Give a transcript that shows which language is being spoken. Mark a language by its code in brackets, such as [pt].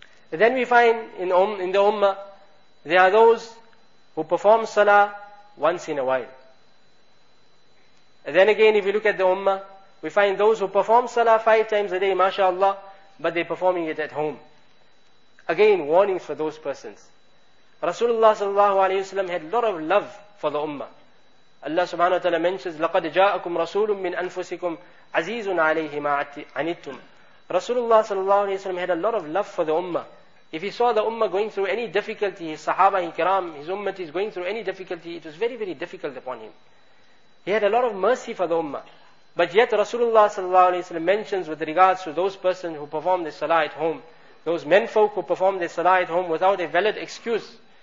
[en] Then we find in the Ummah, there are those who perform Salah once in a while. And then again, if you look at the Ummah, we find those who perform Salah 5 times a day, mashallah, but they're performing it at home. Again, warning for those persons. Rasulullah sallallahu alayhi wa sallam had a lot of love for the Ummah. Allah subhanahu wa ta'ala mentions, [ar] لَقَدْ جَاءَكُمْ رَسُولٌ مِّنْ أَنفُسِكُمْ عَزِيزٌ عَلَيْهِ مَا عَنِتُّمْ. [en] Rasulullah sallallahu alayhi wa sallam had a lot of love for the Ummah. If he saw the Ummah going through any difficulty, his Sahaba, his Kiram, his Ummah is going through any difficulty, it was very, very difficult upon him. He had a lot of mercy for the Ummah. But yet Rasulullah sallallahu alayhi wa sallam mentions with regards to those persons who perform the Salah at home, those menfolk who perform their Salah at home without a valid excuse.